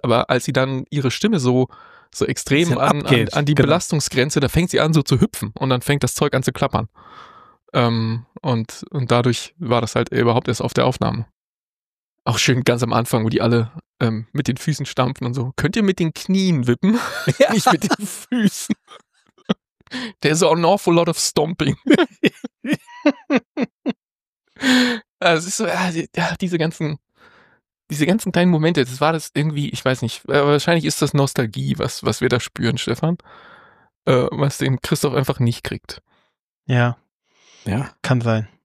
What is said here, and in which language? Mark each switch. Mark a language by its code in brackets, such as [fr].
[de] Aber als sie dann ihre Stimme so extrem an die Belastungsgrenze, da fängt sie an so zu hüpfen und dann fängt das Zeug an zu klappern. Und dadurch war das halt überhaupt erst auf der Aufnahme. Auch schön ganz am Anfang, wo die alle mit den Füßen stampfen und so. Könnt ihr mit den Knien wippen? Ja. Nicht mit den Füßen. [en] There's an awful lot of stomping. [de] Also ist so, diese ganzen kleinen Momente, das war das irgendwie, ich weiß nicht, wahrscheinlich ist das Nostalgie, was wir da spüren, Stefan. Was den Christoph einfach nicht kriegt. Ja. Ja. Kann sein.